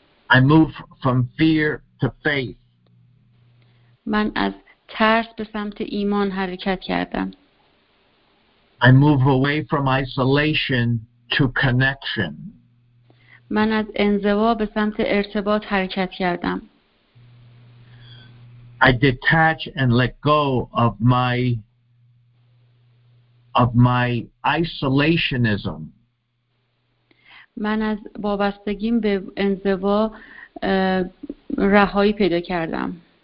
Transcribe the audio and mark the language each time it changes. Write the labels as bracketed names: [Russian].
[English] I move from fear to faith. [Persian] من از ترس به سمت ایمان حرکت کردم. [English] I move away from isolation to connection. [Persian] من از انزوا به سمت ارتباط حرکت کردم. [English] I detach and let go of my isolationism. [Persian] من از وابستگیم به انزوا رهایی پیدا کردم.